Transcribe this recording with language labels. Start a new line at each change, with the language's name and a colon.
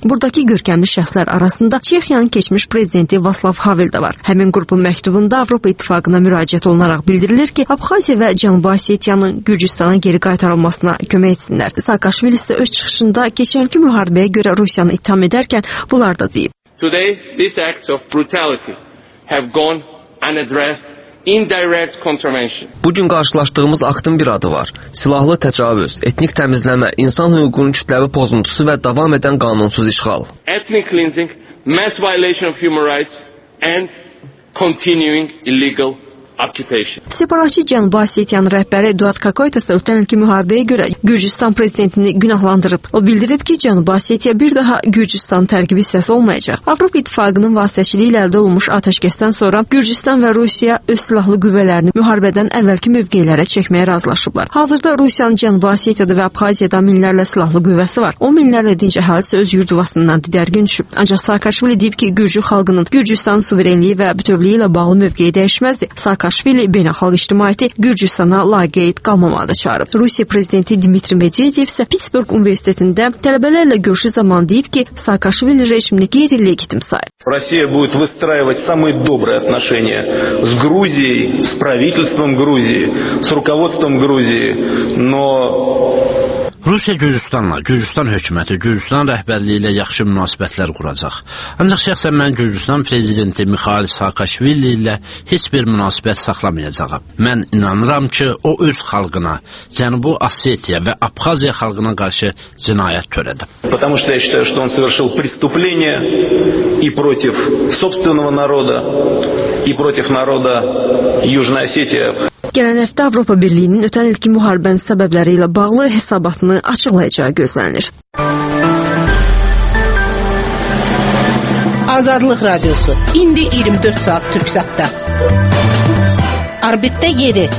Azerbaijani: Buradakı görkəmli şəxslər arasında Çexiyanın keçmiş prezidenti Vaslav Havel də var. Həmin qrupun məktubunda Avropa İttifaqına müraciət olunaraq bildirilir ki, Abxaziya və Cənubi Osetiyanın Gürcüstana geri qaytarılmasına kömək etsinlər. Saakashvili isə öz çıxışında keçənki müharibəyə görə Rusiyanı ittiham edərkən bunlar da deyir.
English: Today, these acts of brutality have gone unaddressed. Indirect contravention.
Azerbaijani: Bugün qarşılaşdığımız aktın bir adı var. Silahlı təcavüz, etnik təmizləmə, insan hüququnun kütləvi pozuntusu və davam edən qanunsuz işğal.
English: Ethnic cleansing, mass violation of human rights and continuing illegal
Azerbaijani: Separatçı Cənubi Osetiyanın rəhbəri Duat Kakoyt isə ötən ilki müharibəyə görə Gürcüstan prezidentini günahlandırıb. O bildirib ki, Cənubi Osetiya bir daha Gürcüstan tərkibi hissəsi olmayacaq. Avropa İttifaqının vasitəçiliyi ilə əldə olunmuş atəşkəsdən sonra Gürcüstan və Rusiya öz silahlı qüvvələrini müharibədən əvvəlki mövqelərə çəkməyə razılaşıblar. Hazırda Rusiyanın Cənubi Osetiyada və Abxaziyada minlərlə silahlı qüvvəsi var. O minlərlə dinc əhali isə öz yurdvasından didərgin düşüb. Ancaq Saakaşvili deyib ki, Gürcü xalqının Gürcüstanın suverenliyi və bütövlüyü ilə bağlı mövqeyi dəyişməzdi. Saakaşvili beynəlxalq ictimaiyyəti Gürcüstana laqeyd qalmamağı da çağırıb. Rusiya prezidenti Dmitri Medvedev isə Pittsburgh Universitetində tələbələrlə görüşü zaman deyib ki, Saakaşvili rejimini qeyri-legitim sayır.
Russian: Россия будет выстраивать самые добрые отношения с Грузией, с правительством Грузии, с руководством Грузии, но
Azerbaijani: Rusiya Gürcüstanla, Gürcüstan hökuməti, Gürcüstan rəhbərliyi ilə yaxşı münasibətlər quracaq. Ancaq şəxsən mən Gürcüstan prezidenti Mikhail Saakashvili ilə heç bir münasibət saxlamayacağam. Mən inanıram ki, o öz xalqına, Cənubi Osetiya və Abxaziya xalqına qarşı cinayət törədib.
Russian: Потому что я считаю, что он совершил преступление и против собственного народа, и против народа Южной Осетии.
Azerbaijani: Gələn həftə Avropa Birliyinin ötən ilki müharibənin səbəbləri ilə bağlı hesabatını açıqlayacağı gözlənilir. Azadlıq Radiosu. İndi 24 saat Türksatda. Orbitdə yeri